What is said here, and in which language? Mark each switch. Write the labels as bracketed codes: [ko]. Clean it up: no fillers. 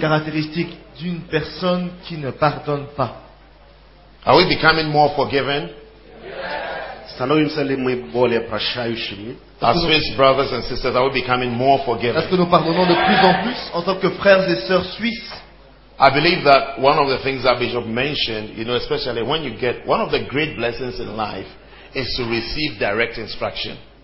[fr] Characteristics d'une personne qui ne pardonne pas. [en] Are we becoming more forgiven? Yes. As Swiss brothers and sisters, are we becoming more forgiven? [fr] Est-ce que nous pardonnons de plus en plus en tant que frères et sœurs suisses? [en] I believe that one of the things that Bishop mentioned, you know, especially when you get one of the great blessings in life is to receive direct instruction.